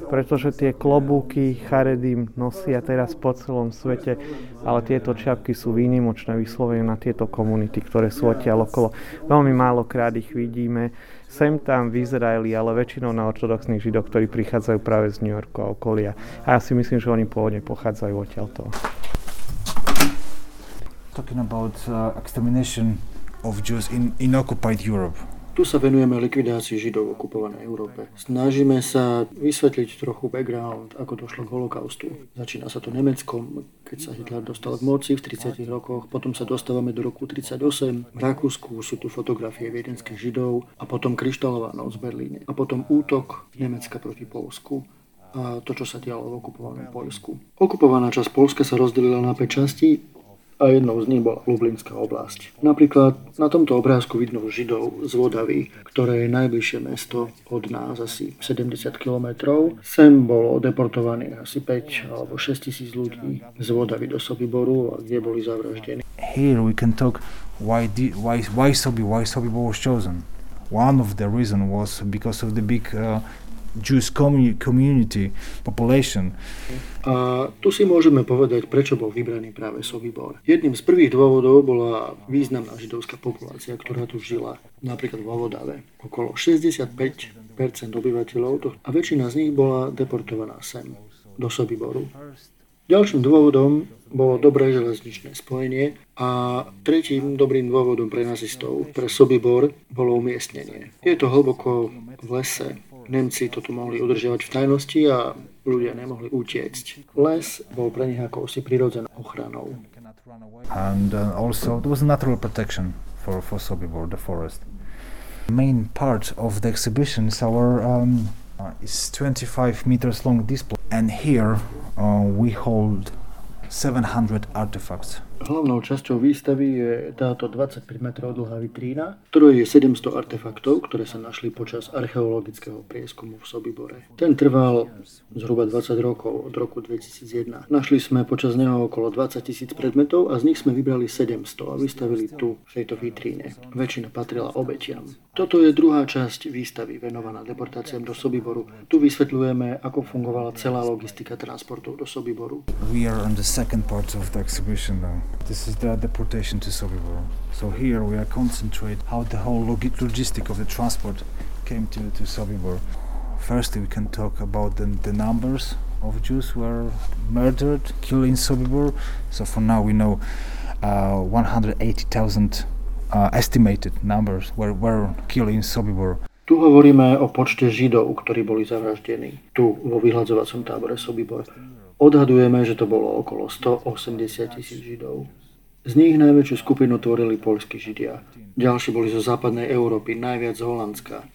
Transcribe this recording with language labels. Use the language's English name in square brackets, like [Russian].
[Slovak] Pretože tie klobúky charedím nosia teraz po celom svete, ale tieto čiapky sú výnimočné vyslovene na tieto komunity, ktoré sú odtiaľ okolo. Veľmi málokrát ich vidíme. Sem tam v Izraeli, ale väčšinou na ortodoxných Židov, ktorí prichádzajú práve z New Yorku a okolia. A ja si myslím, že oni pôvodne pochádzajú odtiaľto. [English] Talking about extermination of Jews in occupied Europe. [Slovak] Tu sa venujeme likvidácii Židov v okupovanej Európe. Snažíme sa vysvetliť trochu background, ako došlo k holokaustu. Začína sa to Nemeckom, keď sa Hitler dostal k moci v 30. rokoch. Potom sa dostávame do roku 38. V Rakúsku sú tu fotografie viedenských Židov a potom Kryštálová noc z Berlíne. A potom útok Nemecka proti Poľsku a to, čo sa dialo v okupovanom Poľsku. Okupovaná časť Poľska sa rozdelila na 5 častí. A jednou z nich bola Lublinská oblasť. Napríklad na tomto obrázku vidno Židov z Vodavy, ktoré je najbližšie mesto od nás asi 70 km. Sem bolo deportovaný asi 5 alebo 6 tisíc ľudí z Vodavy do Sobiboru, kde boli zavraždení. [English] Here we can talk why Sobibor was chosen. One of the reason was because of the big Jewish community population. [Slovak] A tu si môžeme povedať, prečo bol vybraný práve Sobibor. Jedným z prvých dôvodov bola významná židovská populácia, ktorá tu žila, napríklad vo Vodave. Okolo 65% obyvateľov a väčšina z nich bola deportovaná sem, do Sobiboru. Ďalším dôvodom bolo dobré železničné spojenie a tretím dobrým dôvodom pre nazistov, pre Sobibor, bolo umiestnenie. Je to hlboko v lese. Nemci to tu mohli udržiavať v tajnosti a ľudia nemohli utiecť. Les bol pre nich akousi prirodzenou ochranou. [English] And also it was natural protection for Sobibor, the forest. Main part of the exhibition is our It's 25 meters long display, and here we hold 700 artifacts. [Slovak] Hlavnou časťou výstavy je táto 25 metrov dlhá vitrína, ktorou je 700 artefaktov, ktoré sa našli počas archeologického prieskumu v Sobibore. Ten trval zhruba 20 rokov od roku 2001. Našli sme počas neho okolo 20 000 predmetov a z nich sme vybrali 700 a vystavili tu v tejto vitríne. Väčšina patrila obetiam. Toto je druhá časť výstavy venovaná deportáciám do Sobiboru. Tu vysvetľujeme, ako fungovala celá logistika transportov do Sobiboru. [English] We are on the second part of the exhibition. This is the deportation to Sobibor. So here we are concentrate how the whole logistic of the transport came to Sobibor. Firstly, we can talk about the numbers of Jews who were murdered, killed in Sobibor. So for now we know 180,000 estimated numbers were killed in Sobibor. [Slovak] Tu hovoríme o počte Židov, ktorí boli zavraždení tu vo vyhľadzovacom tábore Sobibor. Odhadujeme, že to bolo okolo 180 tisíc Židov. Z nich najväčšiu skupinu tvorili poľskí Židia. Ďalší boli zo západnej Európy, najviac z Holandska.